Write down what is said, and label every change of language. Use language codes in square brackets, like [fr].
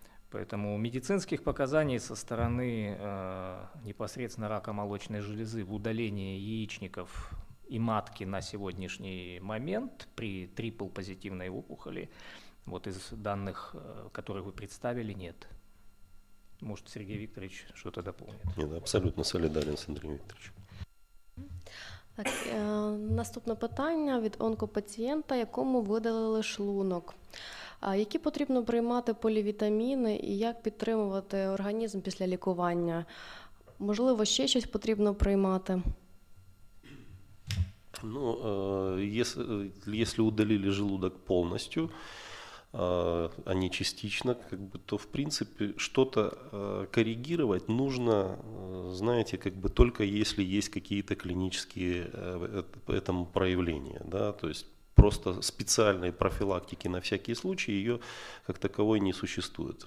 [ru] Поэтому медицинских показаний со стороны непосредственно рака молочной железы в удалении яичников и матки на сегодняшний момент при трипл-позитивной опухоли, вот из данных, которые вы представили, нет. Может, Сергей Викторович что-то дополнит? Нет, абсолютно солидарен с Андреем Викторовичем. [uk] Так, наступне питання від онкопацієнта, якому видалили шлунок. Які потрібно приймати полівітаміни і як підтримувати організм після лікування? Можливо, ще щось потрібно приймати? [ru] Ну, [uk] якщо удалили шлунок повністю, [ru] а не частично, как бы, то в принципе что-то корректировать нужно, знаете, как бы только если есть какие-то клинические этому проявления, да, то есть просто специальной профилактики на всякий случай ее как таковой не существует.